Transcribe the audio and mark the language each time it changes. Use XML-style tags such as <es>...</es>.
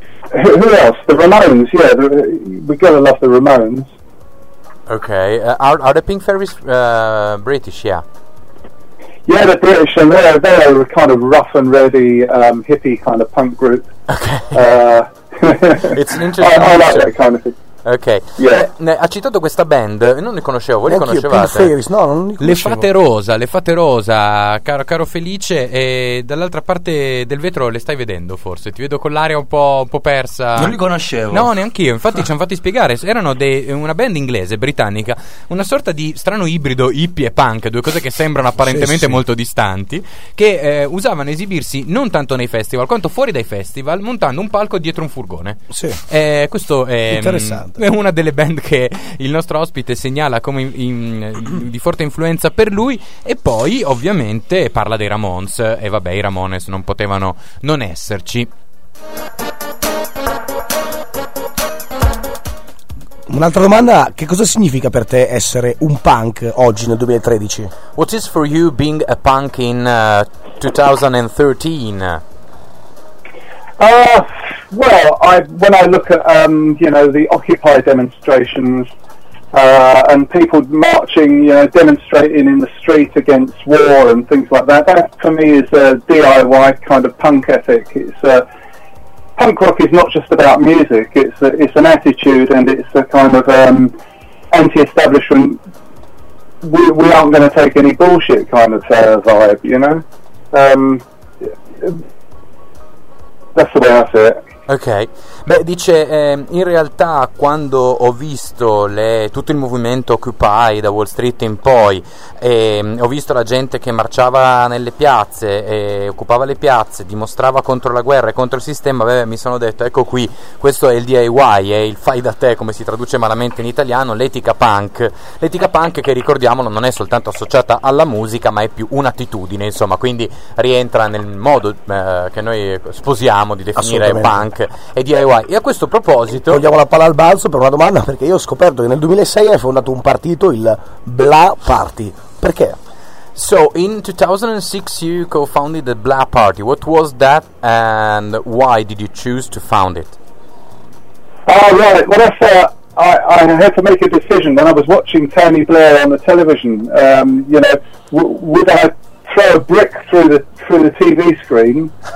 <en>Who else? The Ramones. Yeah, we gotta love the Ramones. Okay, are the Pink Fairies British? Yeah. Yeah, they're British, and they're kind of rough and ready, hippie kind of punk group. Okay. It's an interesting. I like that kind of thing.</en> <it>Ok, ha citato questa band, non li conoscevo, voi li conoscevate? Pink Fairies, no, non li conoscevo. Le Fate Rosa, caro Felice, e dall'altra parte del vetro le stai vedendo forse, ti vedo con l'aria un po' persa. Non li conoscevo. No, neanch'io, infatti ci hanno fatti spiegare, erano una band inglese, britannica, una sorta di strano ibrido hippie e punk, due cose che sembrano apparentemente molto distanti, che usavano esibirsi non tanto nei festival quanto fuori dai festival, montando un palco dietro un furgone. Sì, questo è interessante. È una delle band che il nostro ospite segnala come di forte influenza per lui. E poi ovviamente parla dei Ramones. E vabbè, i Ramones non potevano non esserci. Un'altra domanda: che cosa significa per te essere un punk oggi nel 2013?</it> <en>What is for you being a punk in 2013? When I look at the Occupy demonstrations and people marching, demonstrating in the street against war and things like that, that for me is a DIY kind of punk ethic. It's punk rock is not just about music; it's an attitude, and it's a kind of anti-establishment. We aren't going to take any bullshit kind of vibe, That's the way I see it.</en> <it>Ok, beh, dice, in realtà quando ho visto tutto il movimento Occupy da Wall Street in poi, ho visto la gente che marciava nelle piazze, occupava le piazze, dimostrava contro la guerra e contro il sistema, beh, mi sono detto, ecco qui, questo è il DIY, è il fai da te, come si traduce malamente in italiano, l'etica punk. L'etica punk che, ricordiamolo, non è soltanto associata alla musica, ma è più un'attitudine, insomma, quindi rientra nel modo che noi sposiamo di definire punk e DIY. E a questo proposito, togliamo la palla al balzo per una domanda, perché io ho scoperto che nel 2006 hai fondato un partito, il Bla Party. Perché?</it> <en>So in 2006 you co-founded the Bla Party. What was that and why did you choose to found it? Right. Well, I had to make a decision when I was watching Tony Blair on the television. You know, would I throw a brick through the TV screen?</en>